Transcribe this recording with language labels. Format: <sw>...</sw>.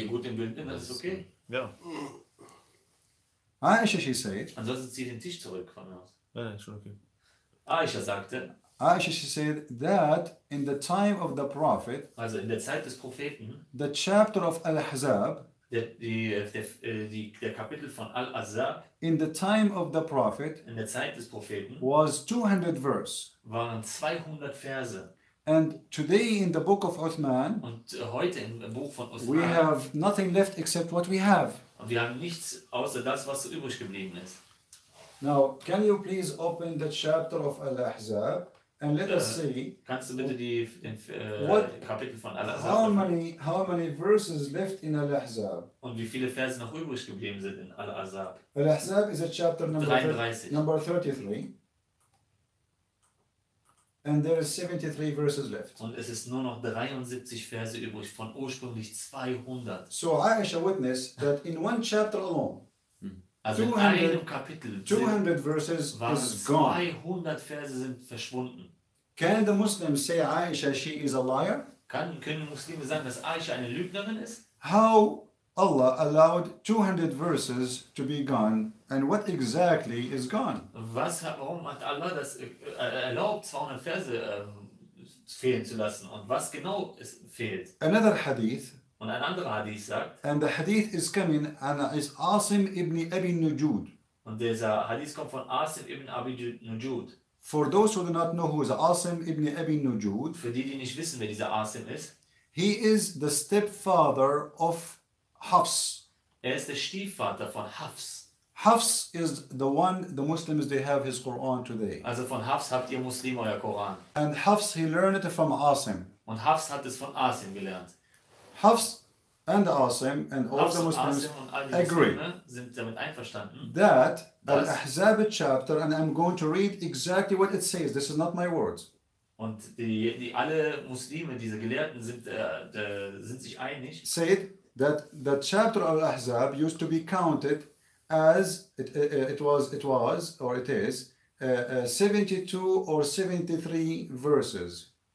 <de>Okay, gut im Bild, dann ist es okay. Ja.</de> <en>Ah, Aisha, she said.</en> <de>Ansonsten zieh den Tisch zurück von mir aus. Nein, nein, schon okay. Aisha sagte.</de> <en>Aisha, she said that in the time of the Prophet.</en> <de>Also in der Zeit des Propheten.</de> <en>The chapter of Al-Ahzab.</en> <de>Der Kapitel von Al-Ahzab.</de> <en>In the time of the Prophet.</en> <de>In der Zeit des Propheten.</de> <en>Was 200 verse.</en> <de>Waren 200 Verse.</de> <en>And today in the book of Uthman.</en> <de>Und heute im Buch von Uthman.</de> <en>We have nothing left except what we have.</en> <de>Und wir haben nichts außer das, was übrig geblieben ist.</de> <en>Now, can you please open the chapter of Al-Ahzab and let us see.</en> <de>Kannst du bitte Kapitel von Al-Ahzab?</de> <en>How many verses left in Al-Ahzab?</en> <de>Und wie viele Verse noch übrig geblieben sind in Al-Ahzab?</de> <en>Al-Ahzab is a chapter number 33. And there is 73 verses left.</en> <de>Und es ist nur noch 73 Verse übrig von ursprünglich 200.</de> <en>So Aisha witnessed that in one chapter alone.</en> <de>Also 200, in einem Kapitel</de> <en>200 verses is gone.</en> <de>200 Verse sind verschwunden.</de> <en>Can the Muslims say Aisha she is a liar?</en> <de>Können Muslime sagen, dass Aisha eine Lügnerin ist?</de> <en>How Allah allowed 200 verses to be gone, and what exactly is gone?</en> <de>Warum hat Allah das erlaubt, 200 Verse fehlen zu lassen? Und was genau fehlt?</de> <en>Another hadith.</en> <de>Und ein anderer hadith sagt.</de> <en>And the hadith is coming and is Asim ibn Abi Nujud.</en> <de>Und dieser hadith kommt von Asim ibn Abi Nujud.</de> <en>For those who do not know who is Asim ibn Abi Nujud.</en> <de>Für die nicht wissen, wer dieser Asim ist.</de> <en>He is the stepfather of Hafs.</en> <de>Er ist der Stiefvater von Hafs.</de> <en>Hafs is the one the Muslims they have his Quran today.</en> <de>Also von Hafs habt ihr Muslime euer Koran.</de> <en>And Hafs he learned it from Asim.</en> <de>Und Hafs hat es von Asim gelernt.</de> <en>Hafs and Asim and all Hafs the Muslims</en> <de>und all die</de> <en>agree.</en> <de>Muslime sind damit einverstanden.</de> <en>That the Ahzab chapter and I'm going to read exactly what it says. This is not my words.</en> <de>Und die alle Muslime, diese Gelehrten sind sich einig.</de> <en>Said that the chapter of Ahzab used to be counted as it is 72 or 73 verses.</en>